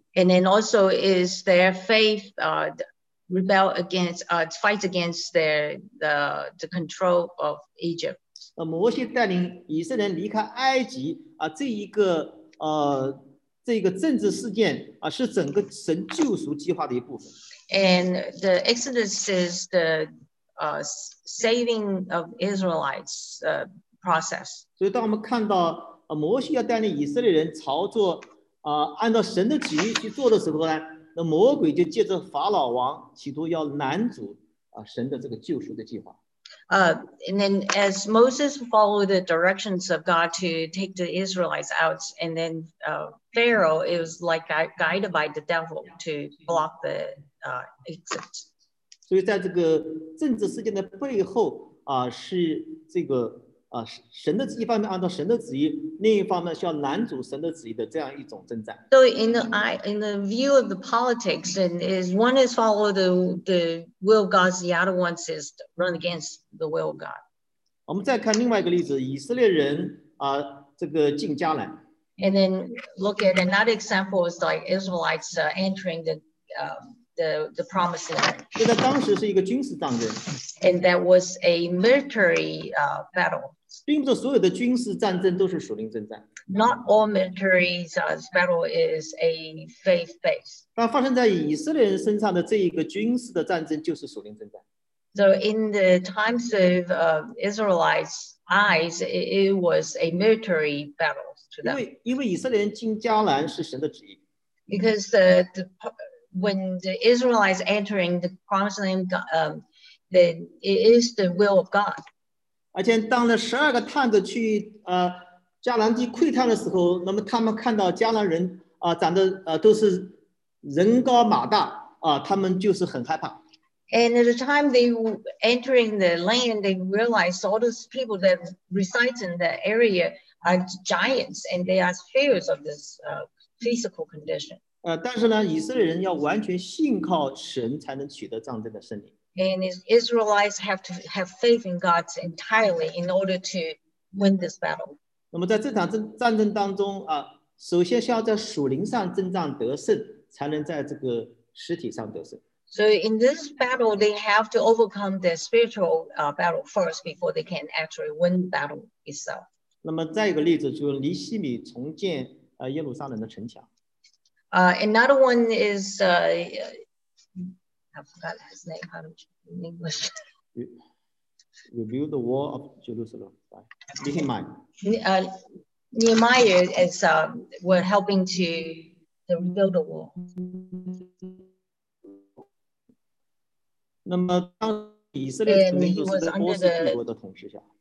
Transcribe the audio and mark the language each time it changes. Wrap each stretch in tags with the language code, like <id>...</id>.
<en>And then also is their faith rebel against fight against the control of Egypt.</en> <zh>摩西带领以色列人离开埃及这一个。这个政治事件是整个神救赎计划的一部分。</zh> <en>And the Exodus is the saving of Israelites process.</en> <zh>所以当我们看到摩西要带领以色列人朝着按照神的旨意去做的时候呢，那魔鬼就借着法老王企图要拦阻神的这个救赎的计划。</zh> <en>And then as Moses followed the directions of God to take the Israelites out, and then Pharaoh, it was like guided by the devil to block the exit.</en> <zh>所以在这个政治事件的背后啊，是这个啊，神的一方面按照神的旨意，另一方面是要拦阻神的旨意的这样一种征战。</zh> <en>So in the view of the politics, and is one is follow the will of God, the other one is run against the will of God.</en> <zh>我们再看另外一个例子，以色列人啊，这个进迦南。</zh> <en>And then look at another example is like Israelites entering the promised land.</en> <zh>这在当时是一个军事战争。</zh> <en>And that was a military battle.</en> <zh>并不是所有的军事战争都是属灵征战。</zh> <en>Not all military battle is a faith based.</en> <zh>那发生在以色列人身上的这一个军事的战争就是属灵征战。</zh> <en>So in the times of Israelites eyes, it was a military battle. Because when the Israelites entering the promised land, then it is the will of God.</en> <zh>而且当了十二个探子去迦南地窥探的时候，那么他们看到迦南人长得都是人高马大他们就是很害怕。</zh> <en>And at the time they were entering the land, they realized all those people that reside in the area. Are giants and they are fears of this physical condition.</en> <zh>但是呢，以色列人要完全信靠神才能取得战争的胜利。</zh> <en>And Israelites have to have faith in God entirely in order to win this battle.</en> <zh>那么在这场战争当中啊，首先是要在属灵上征战得胜，才能在这个实体上得胜。</zh> <en>So in this battle, they have to overcome the spiritual battle first before they can actually win the battle itself.</en> <zh>那么再一个例子就是尼希米重建耶路撒冷的城墙。</zh> <en>Another one is I forgot his name. How do you in English? Rebuild the wall of Jerusalem. Nehemiah. Nehemiah is we're helping to rebuild the wall.</en> <zh>那么当以色列人就是在波斯帝国的统治下。</zh>